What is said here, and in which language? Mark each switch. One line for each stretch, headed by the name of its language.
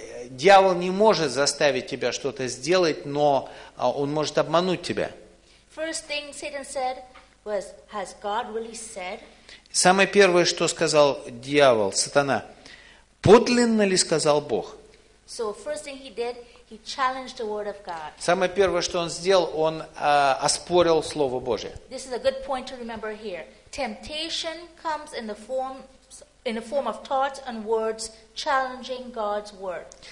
Russian: Дьявол не может заставить тебя что-то сделать, но он может обмануть тебя.
English: First thing Satan said was, has God really said?
Russian: Самое первое, что сказал дьявол, сатана, подлинно ли сказал Бог?
English: So first thing he did, he challenged the word of God.
Russian: Самое первое, что он сделал, он оспорил Слово Божие.
English: This is a good point to remember here. Temptation comes in the form of thoughts and words challenging God's word.